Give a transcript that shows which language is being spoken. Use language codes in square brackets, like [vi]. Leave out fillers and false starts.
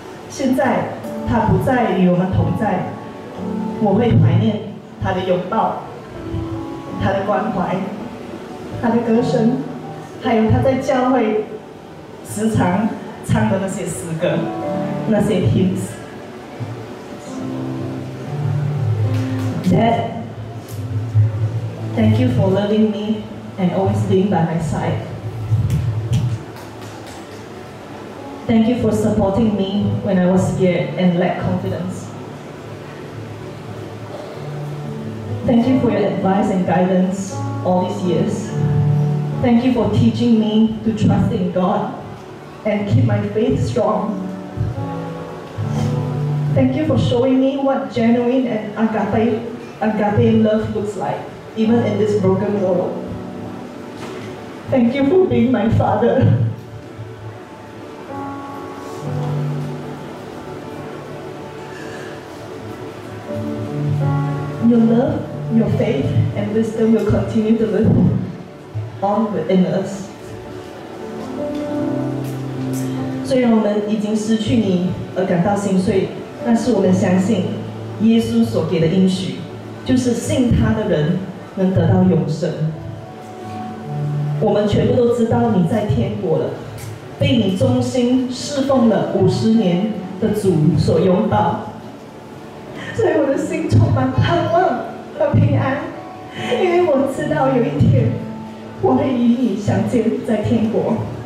[zh] 现在他不再与我们同在，我会怀念他的拥抱、他的关怀、他的歌声，还有他在教会时常唱的那些诗歌、那些 hymns。 [en] Dad, thank you for loving me and always being by my side. Thank you for supporting me when I was scared and lacked confidence. Thank you for your advice and guidance all these years. Thank you for teaching me to trust in God and keep my faith strong. Thank you for showing me what genuine and agape love looks like, even in this broken world. Thank you for being my father. Your love, your faith, and wisdom will continue to live on within us. [zh] 虽然我们已经失去你而感到心碎，但是我们相信耶稣所给的应许，就是信他的人能得到永生。我们全部都知道你在天国了，被你忠心侍奉了50年的主所拥抱，所以我的心充满盼望和平安，因为我知道有一天我会与你相见在天国。